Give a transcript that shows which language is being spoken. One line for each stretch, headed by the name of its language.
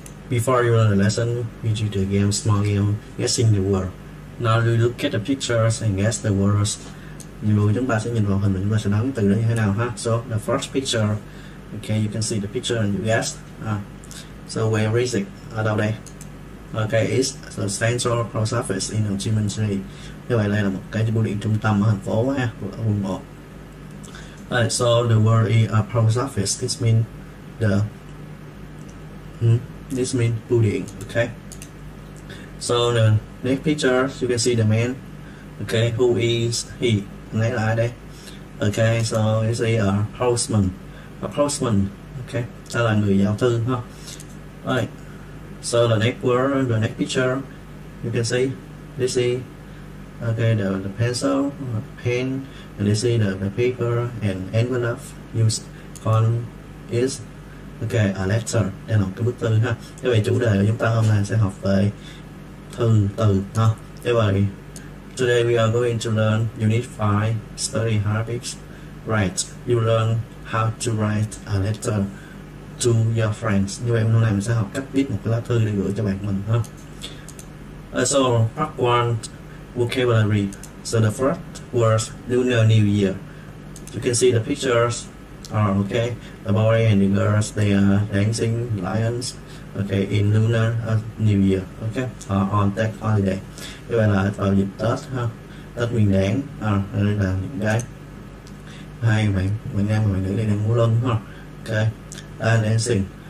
English: Before your lesson, we do the game, small game, guessing the word. Now you look at the pictures and guess the words.
Vietnamese: Rồi chúng ta sẽ nhìn vào hình và chúng ta sẽ đoán từ đó như thế nào ha.
English: So the first picture, okay, you can see the picture and you guess. So where is it?
Vietnamese: Ở đâu đây?
English: Okay, it's the central post office in Ho Chi Minh City.
Vietnamese: Như vậy đây là một cái bưu điện trung tâm ở thành phố ha, của quận 1.
English: Alright, so the word is a post office. This means the this mean building. Okay. So the next picture, you can see the man. Okay, who is he?
Vietnamese: Này là ai đây?
English: Okay, so it's a postman. A postman.
Vietnamese: Okay, đó là người giao thư, huh?
English: Alright. So the next word, the next picture, you can see this is. Okay, the pencil, pen, and this is the paper and envelope used on is okay, a letter.
Vietnamese: Đây là một cái bức thư ha. Như vậy chủ đề của chúng ta hôm nay sẽ học về thư từ ha. Như vậy
English: today we are going to learn unit 5 study habits. Write. You learn how to write a letter to your friends.
Vietnamese: Như vậy hôm nay mình sẽ học cách viết một cái lá thư để gửi cho bạn mình ha.
English: So part 1 vocabulary. So the first word, Lunar New Year. You can see the pictures are okay. The boy and the girls, they are dancing lions, okay, in Lunar New Year, okay, on that holiday.
Vietnamese: Như vậy là vào dịp Tết ha, Tết Nguyên Đán, đây là những cái hai bạn nam và bạn nữ đây đang múa lân ha, okay,
English: and dancing.